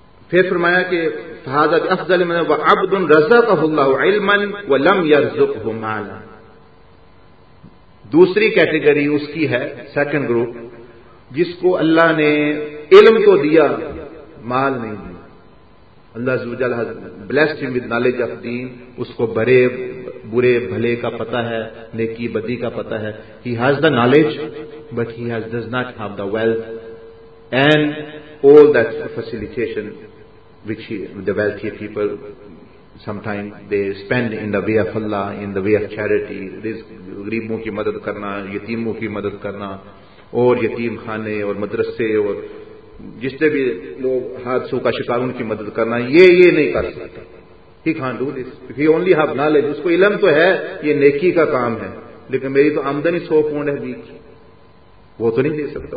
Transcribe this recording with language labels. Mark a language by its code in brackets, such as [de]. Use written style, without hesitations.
[ur] پھر فرمایا کہ [ar] فہذا افضل من عبد رزقہ اللہ علما ولم یرزقہ مالا. [ur] دوسری کیٹیگری اس کی ہے, سیکنڈ گروپ, جس کو اللہ نے علم تو دیا مال نہیں دیا. [en] اللہ عزوجل has blessed him with knowledge of deen. [ur] اس کو برے برے بھلے کا پتہ ہے, نیکی بدی کا پتہ ہے. [en] He has the knowledge but he has does not have the wealth and all that facilitation which he, the wealthy people sometimes they spend in the way of Allah, in the way of charity. [ur] غریبوں کی مدد کرنا, یتیموں کی مدد کرنا, اور یتیم خانے اور مدرسے اور جتنے بھی لوگ حادثوں کا شکار, ان کی مدد کرنا, یہ نہیں کر سکتا. [en] He can't do this, he only have knowledge. [ur] اس کو علم تو ہے یہ نیکی کا کام ہے, لیکن میری تو آمدنی 100 pounds ہے ویک, وہ تو نہیں دے سکتا.